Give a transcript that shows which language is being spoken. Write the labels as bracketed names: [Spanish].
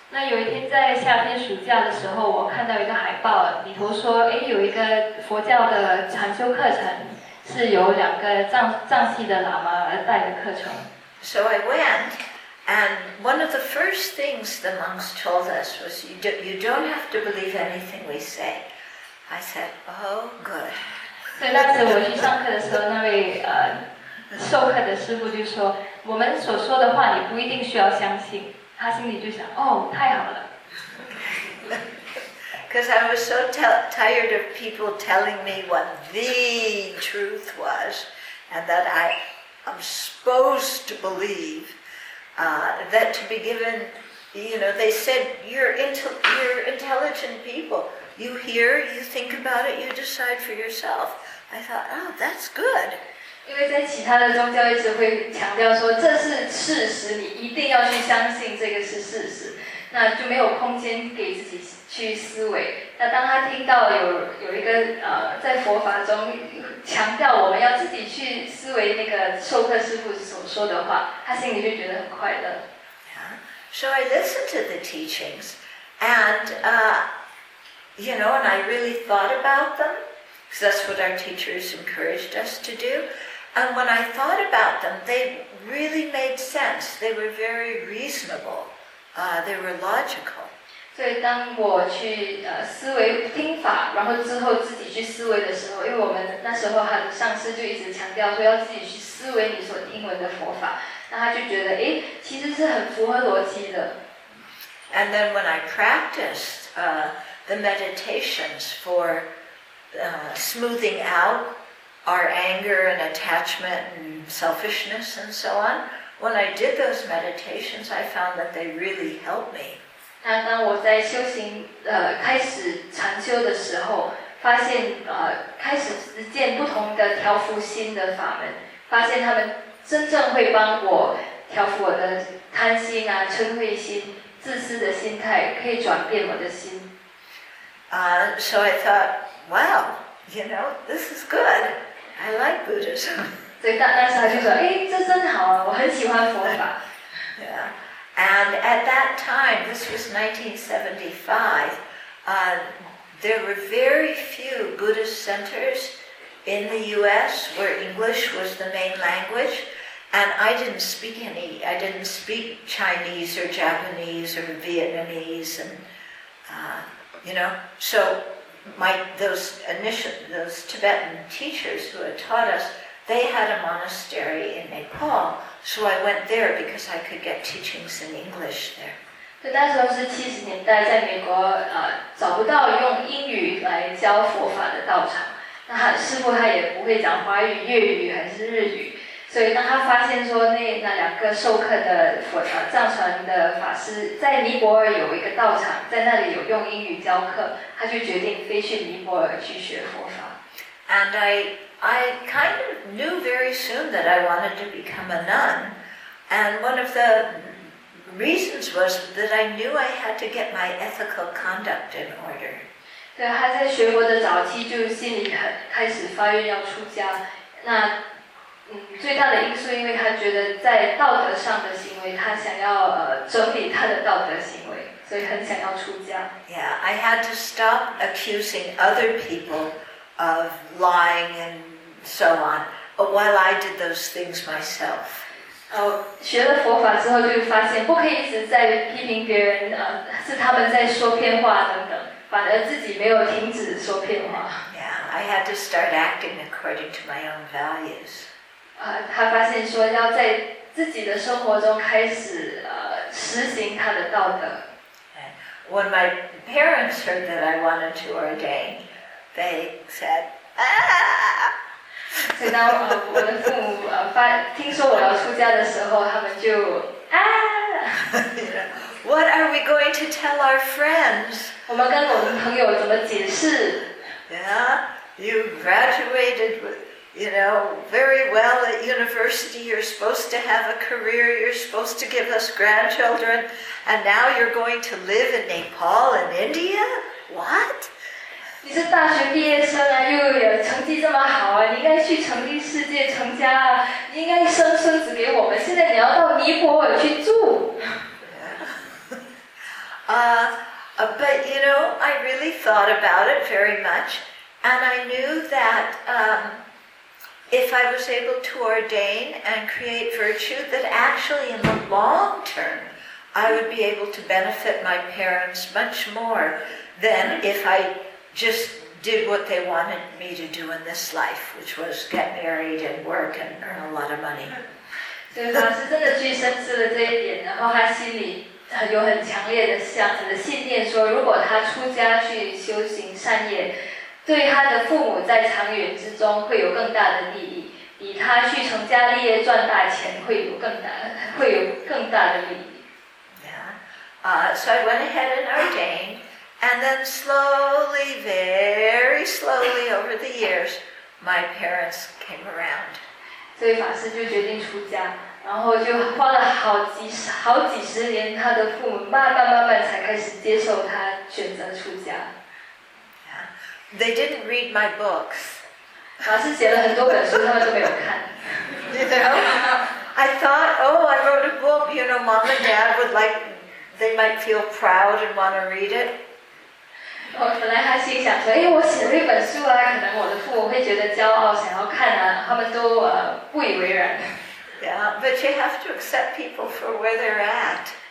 [Chinese] 那有一天在夏天暑假的时候，我看到一个海报，里头说，哎，有一个佛教的禅修课程，是由两个藏系的喇嘛而带的课程。 [English] So I went, and one of the first things the monks told us was, you don't have to believe anything we say. I said, oh, good. [Chinese] 所以当时我去上课的时候，那位授课的师傅就说，我们所说的话，你不一定需要相信。他心里就想，哦，太好了。 [English] Because I was so tired of people telling me what the truth was, and that I am supposed to believe, that to be given, you know, they said, you're intelligent people. You hear, you think about it, you decide for yourself. I thought, oh, that's good. [Chinese] 因为在其他的宗教一直会强调说这是事实，你一定要去相信这个是事实，那就没有空间给自己去思维。那当他听到有一个在佛法中强调我们要自己去思维那个授课师父所说的话，他心里就觉得很快乐。 [English] So I listened to the teachings, and you know, and I really thought about them, because that's what our teachers encouraged us to do. And when I thought about them, they really made sense. They were very reasonable. They were logical. [Chinese] 所以当我去思维听法，然后之后自己去思维的时候，因为我们那时候很上师就一直强调说要自己去思维你所听闻的佛法，那他就觉得哎，其实是很符合逻辑的。 [English] And then when I practiced the meditations for smoothing out. Our anger and attachment and selfishness and so on. When I did those meditations, I found that they really helped me. [Chinese] 那当我在修行开始禅修的时候，发现开始实践不同的调伏心的法门，发现他们真正会帮我调伏我的贪心啊、嗔恚心、自私的心态，可以转变我的心。 [English] So I thought, wow, you know, this is good. I like Buddhism. [Chinese] 所以那时候就说，哎，这真好啊，我很喜欢佛法。 [English] Yeah. And at that time, this was 1975. There were very few Buddhist centers in the U.S. where English was the main language, and I didn't speak Chinese or Japanese or Vietnamese, and you know, so. Those Tibetan teachers who had taught us, they had a monastery in Nepal, so I went there because I could get teachings in English there. [Chinese] 对，那时候是七十年代，在美国找不到用英语来教佛法的道场。那他师父他也不会讲华语、粤语还是日语，所以当他发现说那两个授课的佛藏传的法师在尼泊尔有一个道场，在那里有用英语教课。他就决定飞去尼泊尔去学佛法。 [English] And I kind of knew very soon that I wanted to become a nun. And one of the reasons was that I knew I had to get my ethical conduct in order. [Chinese] 对，他在学佛的早期就心里开始发愿要出家。那最大的因素，因为他觉得在道德上的行为，他想要整理他的道德行为。所以很想要出家。 [English] Yeah, I had to stop accusing other people of lying and so on, but while I did those things myself. [Chinese] 学了佛法之后就发现不可以一直在批评别人，是他们在说骗话等等，反而自己没有停止说骗话。 [English] Yeah, I had to start acting according to my own values. [Chinese] 他发现说要在自己的生活中开始实行他的道德。 [English] When my parents heard that I wanted to ordain, they said, [Chinese] ah! 所以当我的父母听说我要出家的时候，他们就 [English] What are we going to tell our friends? [Chinese] 我们跟我们朋友怎么解释？ [English] Yeah, you graduated with, you know, very well at university. You're supposed to have a career. You're supposed to give us grandchildren. And now you're going to live in Nepal and India? What? [Chinese] 你是大学毕业生啊，又有成绩这么好啊，你应该去成立世界成家啊，你应该生孙子给我们。现在你要到尼泊尔去住。 [English] But you know, I really thought about it very much, and I knew that if I was able to ordain and create virtue, that actually in the long term, I would be able to benefit my parents much more than if I just did what they wanted me to do in this life, which was get married and work and earn a lot of money. [Chinese] 有很强烈的这样子的信念，说如果他出家去修行善业，对他的父母在长远之中会有更大的利益，比他去成家立业赚大钱会有更大的利益。 Yeah. [English] So I went ahead and ordained, and then slowly, very slowly over the years, my parents came around. [Chinese] 所以法师就决定出家。然后就花了好几十年，他的父母慢慢才开始接受他选择出家。 [English] They didn't read my books. [Chinese] 法师写了很多本书，他们都没有看。 [English] You know, I thought, oh, I wrote a book. You know, mom and dad would like, they might feel proud and want to read it. [Chinese] 我本来还心想说，哎，我写了一本书啊，可能我的父母会觉得骄傲，想要看啊，他们都不以为然。 [English] Yeah, but you have to accept people for where they're at.